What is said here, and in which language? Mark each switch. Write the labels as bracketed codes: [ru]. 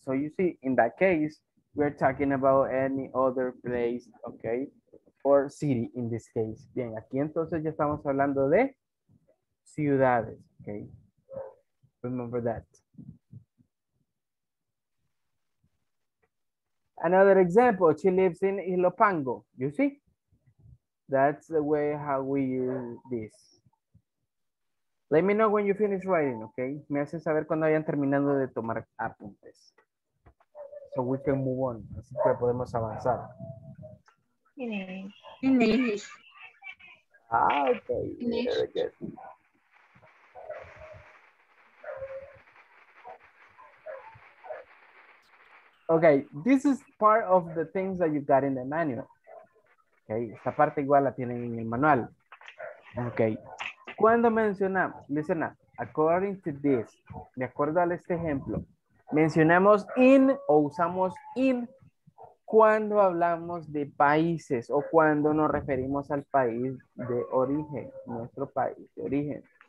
[en] So you see, in that case, we're talking about any other place, okay? or city in this case. [es] Bien, aquí entonces ya estamos hablando de ciudades. [en] Okay. Remember that. Another example, she lives in Ilopango. You see? That's the way how we use this. Let me know when you finish writing, okay? [es] Me hacen saber cuando hayan terminado de tomar apuntes. [en] So we can move on. [es] Así que podemos avanzar. [en] Finish. Ah, okay. Finish. Very good. Okay, this is part of the things that you got in the manual. [es] Okay, esta parte igual la tienen en el manual. Okay, cuando mencionamos, [en] listen up, [es] according to this, de acuerdo a este ejemplo, mencionamos in o usamos in cuando hablamos de países o cuando nos referimos al país de origen, nuestro país de origen.